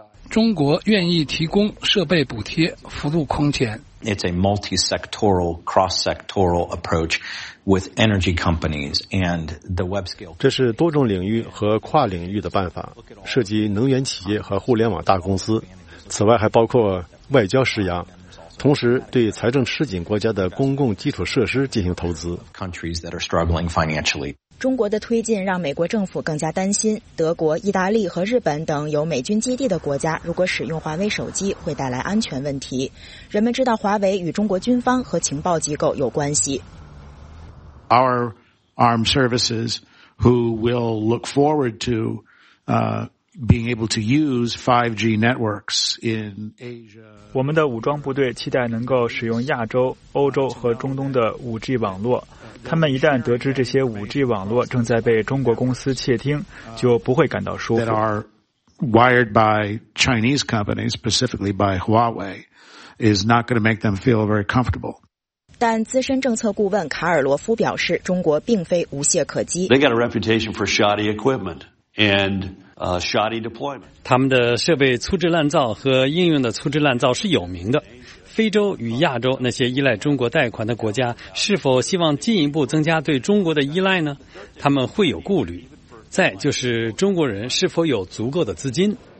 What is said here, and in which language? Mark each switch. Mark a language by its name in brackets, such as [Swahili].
[Chinese] 中国愿意提供设备补贴，幅度空前。 [English] It's a multi-sectoral, cross-sectoral approach with energy companies and the web scale. [Chinese] 这是多种领域和跨领域的办法，涉及能源企业和互联网大公司，此外还包括外交施压，同时对财政吃紧国家的公共基础设施进行投资。 [English] Countries that are struggling financially. [Chinese] 中国的推进让美国政府更加担心，德国、意大利和日本等有美军基地的国家如果使用华为手机会带来安全问题。人们知道华为与中国军方和情报机构有关系。 [English] Our armed services who will look forward to being able to use 5G networks in Asia. [Chinese] 我们的武装部队期待能够使用亚洲、欧洲和中东的 5G 网络。他们一旦得知这些 5G 网络正在被中国公司窃听，就不会感到舒服。 [English] That are wired by Chinese companies, specifically by Huawei, is not going to make them feel very comfortable. [Chinese] 但资深政策顾问卡尔罗夫表示，中国并非无懈可击。 [English] They got a reputation for shoddy equipment and shoddy deployment. [Chinese] 他们的设备粗制滥造和应用的粗制滥造是有名的。非洲与亚洲那些依赖中国贷款的国家是否希望进一步增加对中国的依赖呢？他们会有顾虑。再就是中国人是否有足够的资金。